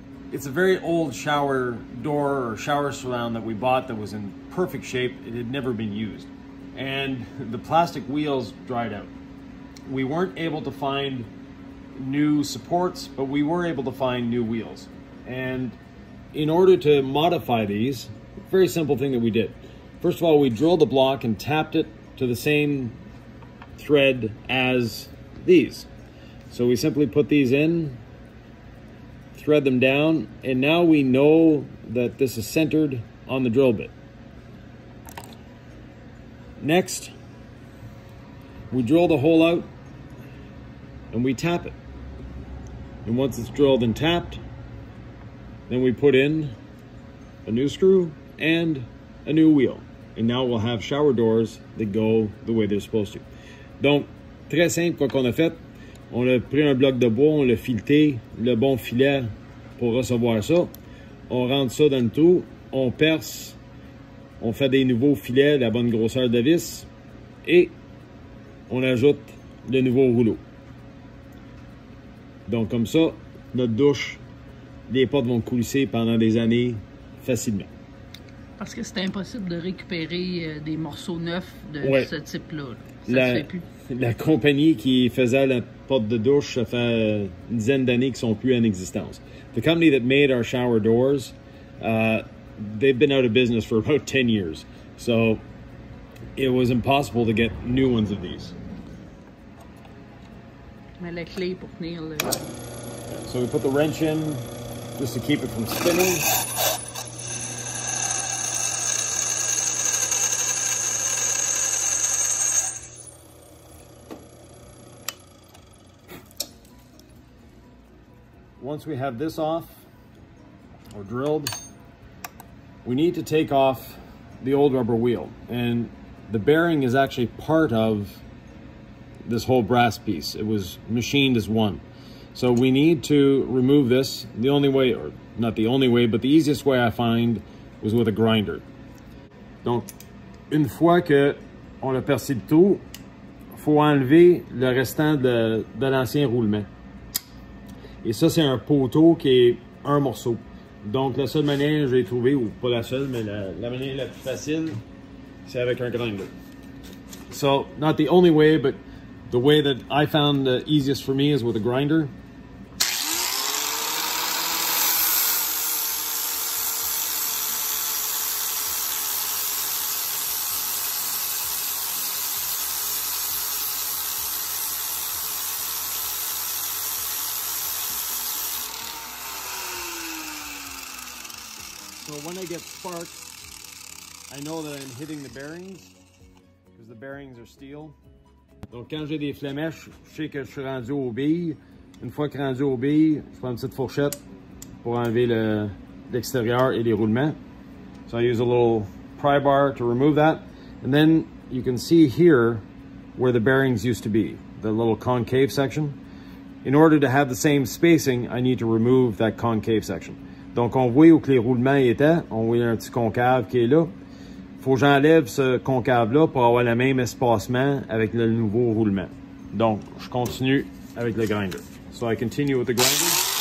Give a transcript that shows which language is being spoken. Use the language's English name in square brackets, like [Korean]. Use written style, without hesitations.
[English] It's a very old shower door or shower surround that we bought that was in perfect shape. It had never been used. And the plastic wheels dried out. We weren't able to find new supports, but we were able to find new wheels. And in order to modify these, very simple thing that we did. First of all, we drilled the block and tapped it to the same thread as these. So we simply put these in, thread them down, and now we know that this is centered on the drill bit. Next, we drill the hole out and we tap it. And once it's drilled and tapped, then we put in a new screw and a new wheel. And now we'll have shower doors that go the way they're supposed to. [French] Donc, très simple, quoi qu'on a fait, on a pris un bloc de bois, on l'a fileté, le bon filet, pour recevoir ça, on rentre ça dans le trou, on perce, on fait des nouveaux filets, la bonne grosseur de vis, et on ajoute le nouveau rouleau. Donc comme ça, notre douche, les portes vont coulisser pendant des années facilement. Parce que c'est impossible de récupérer des morceaux neufs de ouais. Ce type-là. Ça la, se fait plus. La compagnie qui faisait la porte de douche, ça fait une dizaine d'années qu'ils sont plus en existence. [English] The company that made our shower doors, they've been out of business for about 10 years. So it was impossible to get new ones of these. So we put the wrench in just to keep it from spinning. Once we have this off, or drilled, we need to take off the old rubber wheel. And the bearing is actually part of this whole brass piece. It was machined as one. So we need to remove this. The only way, or not the only way, but the easiest way I find was with a grinder. Donc, [French] une fois que on a percé le tout, faut enlever le restant de l'ancien roulement. Et ça, c'est un poteau qui est un morceau. Donc, la seule manière que j'ai trouvé, ou pas la seule, mais la manière la plus facile, c'est avec un grinder. [English] So, not the only way, but the way that I found the easiest for me is with a grinder. So when I get spark, I know that I'm hitting the bearings, because the bearings are steel. [French] Donc quand j'ai des flamèches, je sais que je suis rendu aux billes. Une fois que je suis rendu aux billes, je prends une petite fourchette pour enlever l'extérieur et les roulements. [English] So I use a little pry bar to remove that. And then you can see here where the bearings used to be, the little concave section. In order to have the same spacing, I need to remove that concave section. [French] Donc, on voit où que les roulements étaient. On voit un petit concave qui est là. Faut que j'enlève ce concave-là pour avoir le même espacement avec le nouveau roulement. Donc, je continue avec le grinder. [English] So, I continue with the grinder.